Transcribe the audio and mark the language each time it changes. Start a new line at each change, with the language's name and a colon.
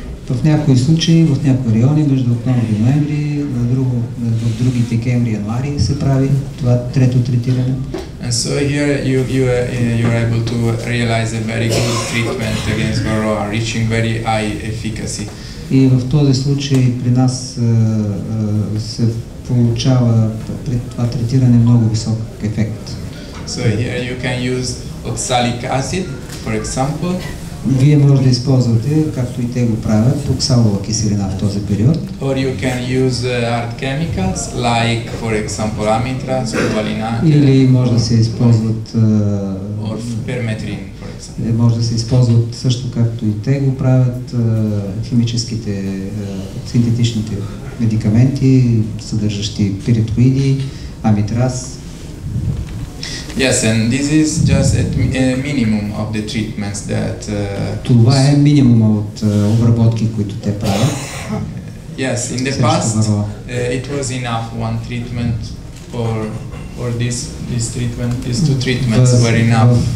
Bulgarian: В някои случаи, в някои райони, между октомври и ноември, в други декември и януари се прави това трето третиране.
English: And so here you are able to realize a very good treatment against varroa, reaching very high efficacy.
Bulgarian: И в този случай при нас се получава при това третиране много висок ефект.
English: So here you can use oxalic acid, for example.
Bulgarian: Вие може да използвате, както и те го правят, оксалова киселина в този период.
English: Or you can use hard chemicals, like for example amitraz, valinate.
Bulgarian: Или може да се използват
English: or ферметрин, for example.
Bulgarian: Може да се използват също както и те го правят, химическите, синтетичните медикаменти, съдържащи пиретроиди, амитраз.
English: Yes, and this is just a minimum of the treatments that
Bulgarian: това е минимум от обработки, които те правят.
English: Yes, in the past it was enough one treatment or this treatment, these two treatments were enough.